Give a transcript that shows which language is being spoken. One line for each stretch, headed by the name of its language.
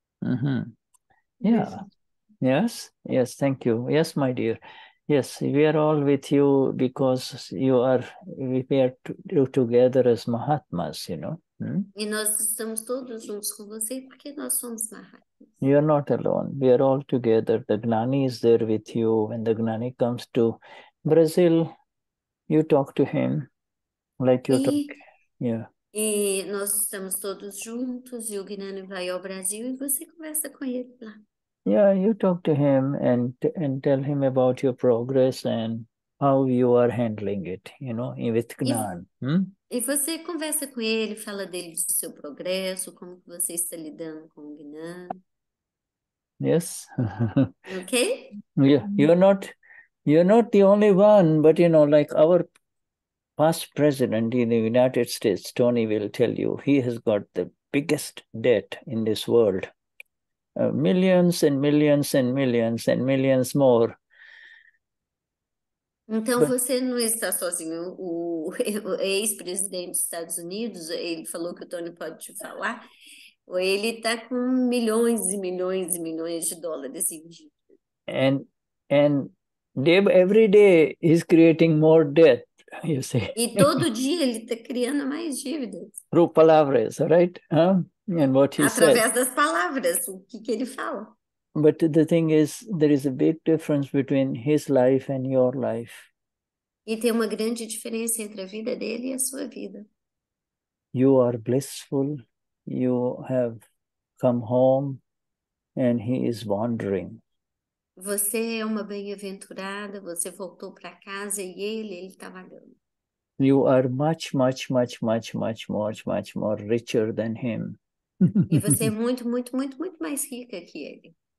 English: Uh-huh. Yeah. Mesmo. Yes. Yes, thank you. Yes, my dear. Yes, we are all with you because we are together as Mahatmas, you know.
Portuguese: E nós estamos todos juntos com você porque nós somos Mahatmas.
English: You are not alone. We are all together. The Gnani is there with you. When the Gnani comes to Brazil, you talk to him like you talk. Yeah.
Portuguese: E nós estamos todos juntos e o Gnani vai ao Brasil e você conversa com ele lá.
English: Yeah, you talk to him and tell him about your progress and how you are handling it, you know, with Gnani.
Portuguese: E você conversa com ele, fala dele do seu progresso, como que você está lidando com o Gnani.
English: Yes. Okay. Yeah, you're not the only one, but you know, like our past president in the United States, Tony, will tell you, he has got the biggest debt in this world. Millions and millions and millions and millions more.
Portuguese: Então, but... você não está sozinho. O ex-presidente dos Estados Unidos, ele falou que o Tony pode te falar. Ele está com milhões e milhões e milhões de dólares em dívida.
English: And every day he's creating more debt. you see.
Portuguese: E todo dia ele está criando mais dívidas.
English: Through
Portuguese: palavras,
English: right? And what he
Portuguese: Através
English: says.
Portuguese: Das palavras, o que, que ele fala.
English: But the thing is, there is a big difference between his life and your life.
Portuguese: E tem uma grande diferença entre a vida dele e a sua vida.
English: You are blissful, you have come home, and he is wandering.
Portuguese: Você é uma bem-aventurada, você voltou para casa e ele está vagando.
English: You are much, much, much, much, much, much, much more richer than him.
Portuguese: E você é muito, muito, muito, muito mais rica que ele.